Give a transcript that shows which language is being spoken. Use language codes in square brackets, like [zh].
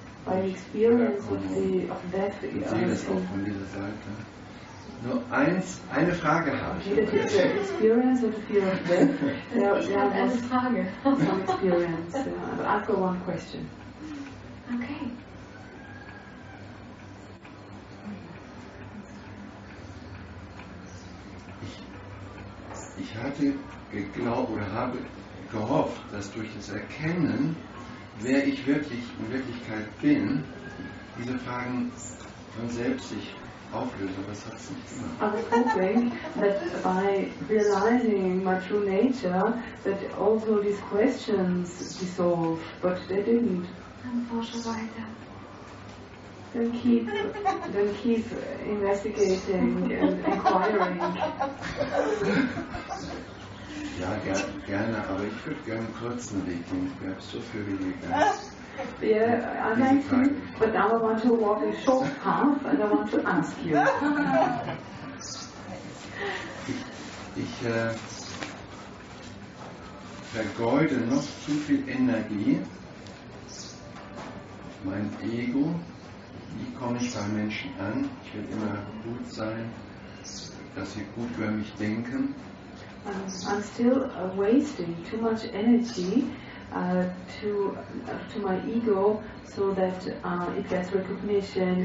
[en] By the experience of the of that experience. [de] Ich sehe das auch von dieser Seite. Nur eins, eine Frage habe ich. Jeder hat eine Experience oder [en] fear of death. [de] Ja, eine Frage. [en] Some experience. I'll ask one question. Okay. [de] Ich hatte geglaubt oder habe gehofft, dass durch das Erkennen, wer ich wirklich in Wirklichkeit bin, diese Fragen von selbst sich auflösen, aber es hat es nicht gemacht. [en] I was hoping that by realizing my true nature, that also these questions dissolve, but they didn't. [de] Dann forsche weiter. [en] Then keep investigating and inquiring. [de] Ja, gerne, aber ich würde gerne einen kurzen Weg gehen. Ich habe so viel Wege. [en] Yeah, I'd like to, but now I want to walk a short path and I want to ask you. [de] Ich vergeude noch zu viel Energie, mein Ego. Wie komme ich bei Menschen an? Ich will immer gut sein, dass sie gut über mich denken. [en] I'm still wasting too much energy to my ego, so that it gets recognition.